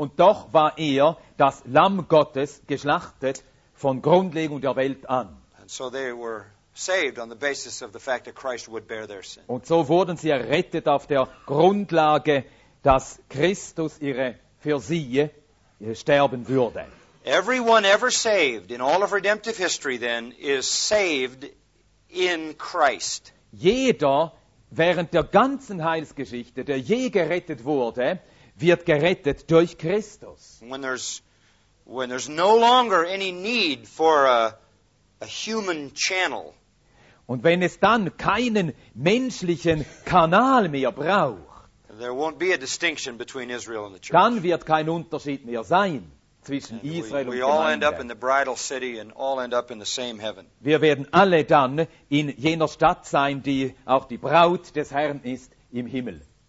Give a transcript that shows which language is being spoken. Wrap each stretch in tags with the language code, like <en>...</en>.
<de>Und doch war er das Lamm Gottes geschlachtet von Grundlegung der Welt an.</de> <en>And so they were saved on the basis of the fact that Christ would bear their sin.</en> <de>Und so wurden sie errettet auf der Grundlage, dass Christus für sie sterben würde.</de> <en>Everyone ever saved in all of redemptive history then is saved in Christ.</en> <de>Jeder während der ganzen Heilsgeschichte, der je gerettet wurde, wird gerettet durch Christus.</de> <en>When there's no longer any need for a human channel.</en> <de>Und wenn es dann keinen menschlichen Kanal mehr braucht,</de> <en>there won't be a distinction between Israel and the church.</en> <de>Dann wird kein Unterschied mehr sein zwischen Israel und Gemeinde.</de> <en>We all end up in the bridal city and all end up in the same heaven.</en> <de>Wir werden alle dann in jener Stadt sein, die auch die Braut des Herrn ist, im Himmel.</de>